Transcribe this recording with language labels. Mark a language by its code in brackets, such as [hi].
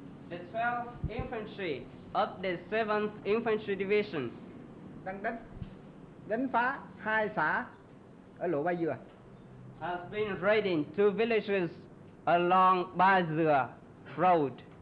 [en] The 12th Infantry of the 7th Infantry Division [vi] đang đánh phá 2 xã ở Lộ Ba Dừa. [en] Has been raiding 2 villages along Ba Dừa Road.